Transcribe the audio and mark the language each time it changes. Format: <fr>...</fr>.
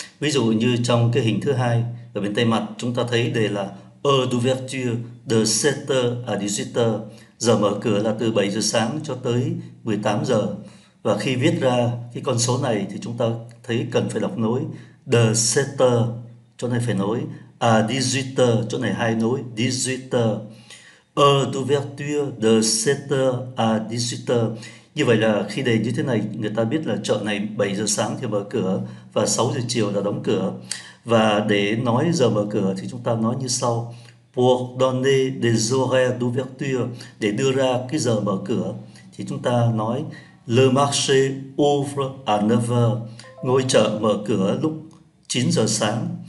<vi>Ví dụ như trong cái hình thứ hai ở bên tay mặt chúng ta thấy đề là</vi> <fr>Heure d'ouverture de 7h à 18h,</fr> <vi>giờ mở cửa là từ 7 giờ sáng cho tới 18 giờ. Và khi viết ra cái con số này thì chúng ta thấy cần phải đọc nối de 7h, chỗ này phải nối à 18h, chỗ này hai nối 18h.</vi> <fr>Heure d'ouverture de 7h à 18h.</fr> <vi>Như vậy là khi đề như thế này, người ta biết là chợ này 7 giờ sáng thì mở cửa và 6 giờ chiều là đóng cửa. Và để nói giờ mở cửa thì chúng ta nói như sau:</vi> <fr>Pour donner des horaires d'ouverture,</fr> <vi>để đưa ra cái giờ mở cửa thì chúng ta nói</vi> <fr>Le marché ouvre à 9h,</fr> <vi>ngôi chợ mở cửa lúc 9 giờ sáng.</vi>